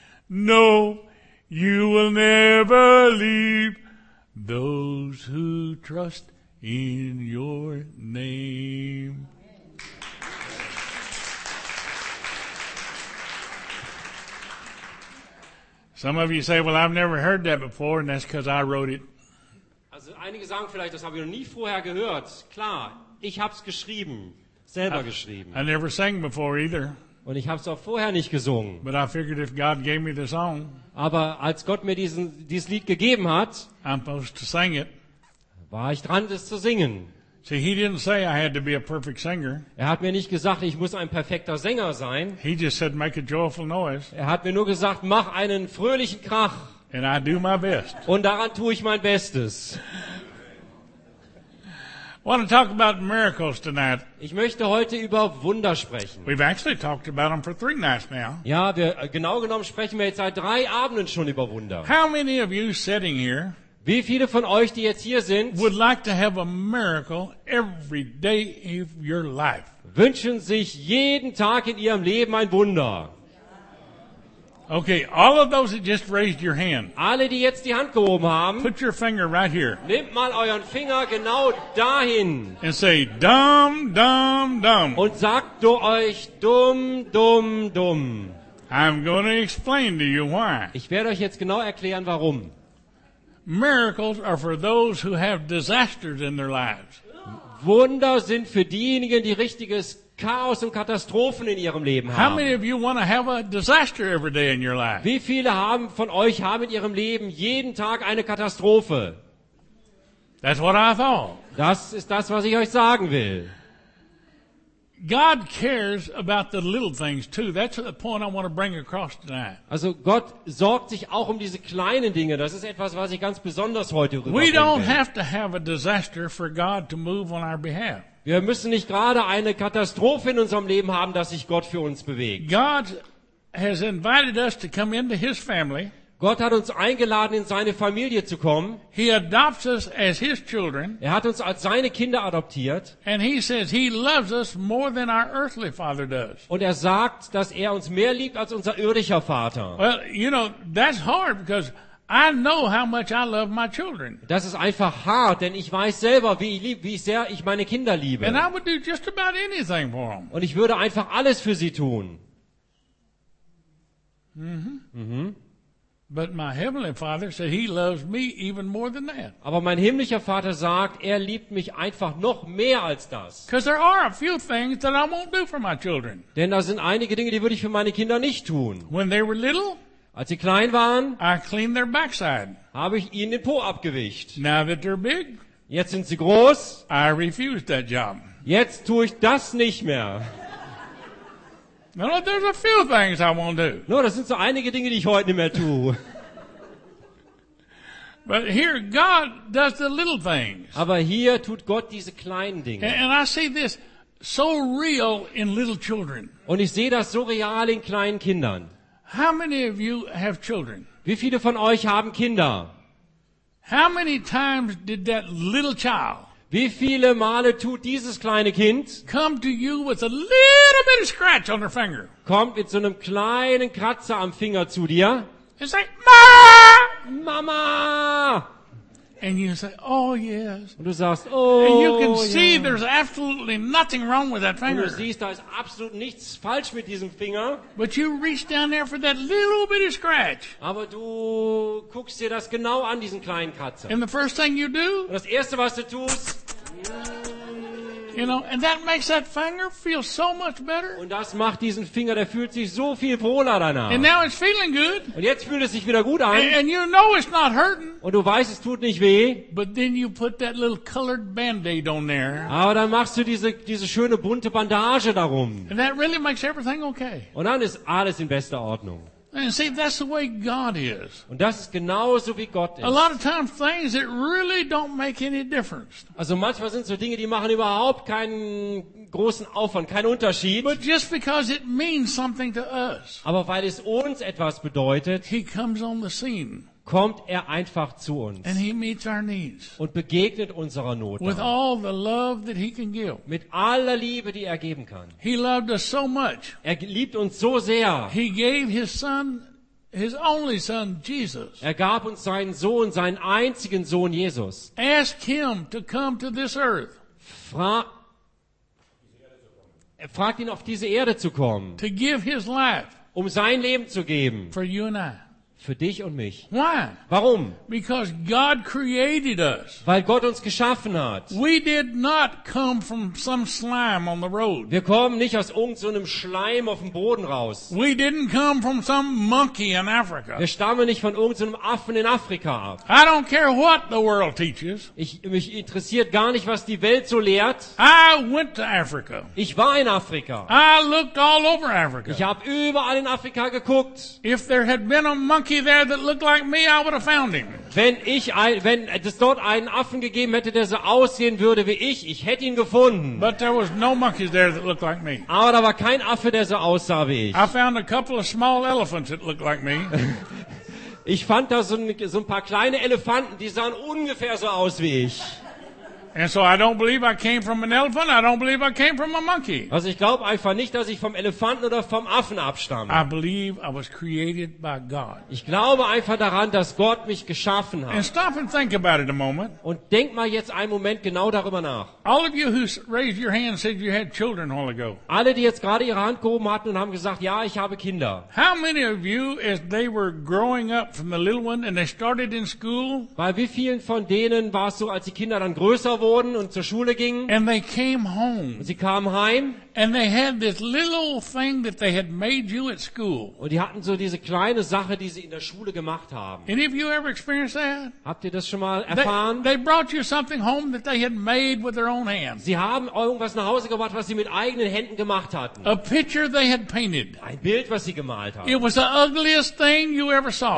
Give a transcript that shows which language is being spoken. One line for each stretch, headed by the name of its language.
English: No, you will never leave those who trust in your name. Some of you say, well, I've never heard that before, and that's because I wrote it.
German: Also, einige sagen vielleicht, das habe ich noch nie vorher gehört. Klar, ich habe es geschrieben, selber geschrieben.
English: I never sang before either.
German: Und ich habe es auch vorher nicht gesungen.
English: But I figured if God gave me the song,
German: aber als Gott mir dieses Lied gegeben hat,
English: I'm supposed to sing it.
German: War ich dran, es zu singen.
English: See, he didn't say I had to be a perfect singer.
German: Er hat mir nicht gesagt, ich muss ein perfekter Sänger sein.
English: He just said, make a joyful noise.
German: Er hat mir nur gesagt, mach einen fröhlichen Krach.
English: And I do my best.
German: Und daran tue ich mein Bestes.
English: I want to talk about miracles tonight.
German: Ich möchte heute über Wunder sprechen.
English: We've actually talked about them for three nights now.
German: Ja, wir, genau genommen sprechen wir jetzt seit drei Abenden schon über Wunder.
English: How many of you sitting here?
German: Wie viele von euch, die jetzt hier sind,
English: would like to have a miracle every day of your life?
German: Wünschen sich jeden Tag in ihrem Leben ein Wunder.
English: Okay, all of those that just raised your hand.
German: Alle, die jetzt die Hand gehoben haben,
English: put your finger right here.
German: Nehmt mal euren Finger genau dahin.
English: And say dumb, dumb, dumb.
German: Und sagt du euch dumm, dumm, dumm.
English: I'm going to explain to you why.
German: Ich werde euch jetzt genau erklären, warum.
English: Miracles are for those who have disasters in their lives.
German: Wunder sind für diejenigen, die richtiges Chaos und Katastrophen in ihrem Leben haben.
English: How many of you want to have a disaster every day in your life?
German: Wie viele haben von euch haben in ihrem Leben jeden Tag eine Katastrophe?
English: That's what I thought.
German: Das ist das, was ich euch sagen will.
English: God cares about the little things too. That's the point I want to bring across tonight.
German: Also Gott sorgt sich auch um diese kleinen Dinge. Das ist etwas, was ich ganz besonders heute rüberbringe.
English: We don't have to have a disaster for God to move on our behalf.
German: Wir müssen nicht gerade eine Katastrophe in unserem Leben haben, dass sich Gott für uns bewegt.
English: God has invited us to come into his family.
German: Gott hat uns eingeladen, in seine Familie zu kommen.
English: He adopts us as his children.
German: Er hat uns als seine Kinder adoptiert.
English: And he says he loves us more than our earthly father does.
German: Und er sagt, dass er uns mehr liebt als unser irdischer Vater.
English: Well, you know, that's hard because I know how much I love my children.
German: Das ist einfach hart, denn ich weiß selber, wie sehr ich meine Kinder liebe.
English: And I would do just about anything for them.
German: Und ich würde einfach alles für sie tun.
English: But my heavenly Father said he loves me even more than that.
German: Aber mein himmlischer Vater sagt, er liebt mich einfach noch mehr als das.
English: Because there are a few things that I won't do for my children.
German: Denn da sind einige Dinge, die würde ich für meine Kinder nicht tun.
English: When they were little,
German: als sie klein waren,
English: I cleaned their backside.
German: Habe ich ihnen den Po abgewischt.
English: Now that they're big,
German: jetzt sind sie groß,
English: I refuse that job.
German: Jetzt tue ich das nicht mehr.
English: No, no, there's a few things I won't do.
German: No, das sind so einige Dinge, die ich heute nicht mehr tue.
English: But here God does the little things.
German: Aber hier tut Gott diese kleinen Dinge.
English: And I see this so real in little children.
German: Und ich sehe das so real in kleinen Kindern.
English: How many of you have children?
German: Wie viele von euch haben Kinder?
English: How many times did that little child?
German: Wie viele Male tut dieses kleine Kind?
English: Come to you with a little bit of scratch on their finger.
German: Kommt mit so einem kleinen Kratzer am Finger zu dir.
English: And say, Mama!
German: Mama!
English: And you say, oh yes.
German: Und du sagst, oh.
English: And you can see there's absolutely nothing wrong with that finger.
German: Und du siehst, da ist absolut nichts falsch mit diesem Finger.
English: But you reach down there for that little bit of scratch.
German: Aber du guckst dir das genau an, diesen kleinen Kratzer.
English: And the first thing you do?
German: Und das erste, was du tust,
English: You know, and that makes that finger feel so much better.
German: Und das macht diesen Finger, der fühlt sich so viel wohler danach.
English: And now it's feeling good.
German: Und jetzt fühlt es sich wieder gut an.
English: And you know it's not hurting.
German: Und du weißt, es tut nicht weh.
English: But then you put that little colored Band-Aid on there.
German: Aber dann machst du diese schöne bunte Bandage darum.
English: And that really makes everything okay.
German: Und dann ist alles in bester Ordnung.
English: And see, that's the way God is.
German: Und das ist genauso wie Gott ist.
English: A lot of times things that really don't make any difference.
German: Also manchmal sind so Dinge, die machen überhaupt keinen großen Aufwand, keinen Unterschied.
English: But just because it means something to us.
German: Aber weil es uns etwas bedeutet.
English: He comes on the scene.
German: Kommt er einfach zu uns.
English: And he meets our needs.
German: Und begegnet unserer Not.
English: With all the love that he can give.
German: Mit aller Liebe, die er geben kann.
English: He loved us so much.
German: Er liebt uns so sehr.
English: He gave his son, his only son, Jesus.
German: Er gab uns seinen Sohn, seinen einzigen Sohn, Jesus.
English: Ask him to come to this earth.
German: Fragt ihn, auf diese Erde zu kommen.
English: To give his life.
German: Um sein Leben zu geben.
English: For you and I.
German: Für dich und mich.
English: Why?
German: Warum?
English: Because God created us.
German: Weil Gott uns geschaffen hat.
English: We did not come from some slime on the road.
German: Wir kommen nicht aus irgendeinem Schleim auf dem Boden raus.
English: We didn't come from some monkey in Africa.
German: Wir stammen nicht von irgendeinem Affen in Afrika ab.
English: I don't care what the world teaches.
German: Mich interessiert gar nicht, was die Welt so lehrt.
English: I went to Africa.
German: Ich war in Afrika.
English: I looked all over Africa.
German: Ich habe überall in Afrika geguckt.
English: If there had been a monkey there that looked like me, I would have found him.
German: Wenn es dort einen Affen gegeben hätte, der so aussehen würde wie ich hätte ihn gefunden.
English: But there was no monkeys there that looked like me.
German: Aber da war kein Affe, der so aussah wie ich.
English: I found a couple of small elephants that looked like me.
German: Ich fand da so ein paar kleine Elefanten, die sahen ungefähr so aus wie ich.
English: And so I don't believe I came from an elephant. I don't believe I came from a monkey.
German: Also ich glaube einfach nicht, dass ich vom Elefanten oder vom Affen abstamme.
English: I believe I was created by God.
German: Ich glaube einfach daran, dass Gott mich geschaffen hat.
English: And stop and think about it a moment.
German: Und denk mal jetzt einen Moment genau darüber nach.
English: All of you who raised your hand said you had children a while ago.
German: Alle, die jetzt gerade ihre Hand gehoben hatten und haben gesagt, ja, ich habe Kinder.
English: How many of you, as they were growing up from the little one and they started in school?
German: Bei wie vielen von denen war es so, als die Kinder dann größer wurden? Und zur Schule gingen.
English: And they came home.
German: Und sie kamen heim.
English: And they had this little thing that they had made you at school.
German: Und die hatten so diese kleine Sache, die sie in der Schule gemacht haben.
English: And if you ever experienced that?
German: Habt ihr das schon mal erfahren?
English: They brought you something home that they had made with their own hands.
German: Sie haben irgendwas nach Hause gebracht, was sie mit eigenen Händen gemacht hatten.
English: A picture they had painted.
German: Ein Bild, was sie gemalt haben.
English: It was the ugliest thing you ever saw.